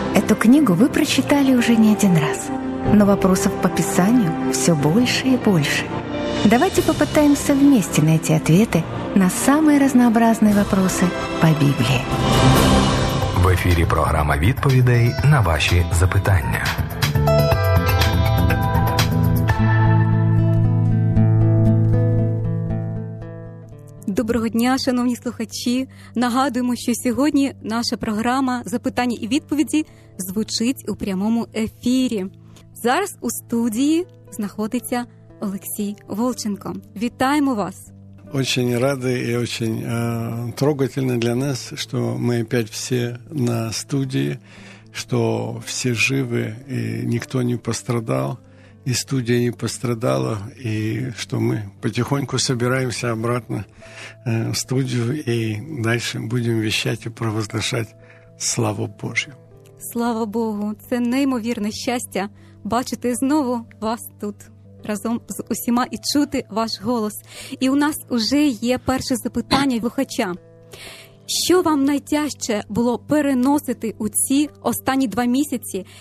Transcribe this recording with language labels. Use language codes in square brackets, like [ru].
[ru] Эту книгу вы прочитали уже не один раз, но вопросов по Писанию все больше и больше. Давайте попытаемся вместе найти ответы на самые разнообразные вопросы по Библии. В эфире программа «Відповідей» на ваши запитання. [uk] Доброго дня, шановні слухачі. Нагадуємо, що сьогодні наша програма «Запитання і відповіді» звучить у прямому ефірі. Зараз у студії знаходиться Олексій Волченко. Вітаємо вас! [ru] Очень рады и очень трогательно для нас, что мы опять все на студии, что все живы, и никто не пострадал, и студия не пострадала, и что мы потихоньку собираемся обратно в студию и дальше будем вещать и провозглашать славу Божью. Слава Богу! [uk] Це неймовірне щастя бачити знову вас тут разом з усіма і чути ваш голос. І у нас уже є перше запитання слухача. Що вам найтяжче було переносити у ці останні 2 місяці?